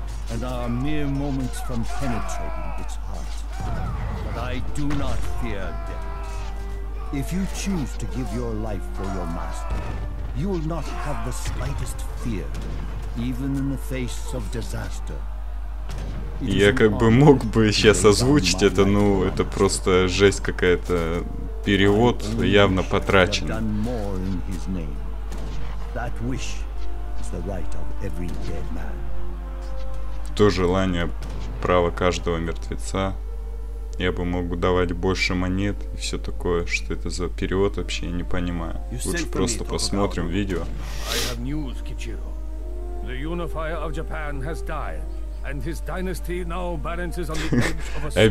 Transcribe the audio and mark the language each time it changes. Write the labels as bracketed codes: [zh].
[en] And are mere moments from penetrating its heart. But I do not fear death. If you choose to give your life for your master, you will not have the slightest fear, even in the face of disaster. [ru] Я как бы мог бы сейчас озвучить это, но это просто жесть какая-то. Перевод явно потрачен. [en] Done more in his name. That wish is the right of every dead man. [ru] То желание, право каждого мертвеца. Я бы мог давать больше монет и все такое. Что это за перевод, вообще я не понимаю. Лучше просто посмотрим видео. [en] I have news, Kichiro. The unifier of Japan has died, and his dynasty now balances on the edge of a sword.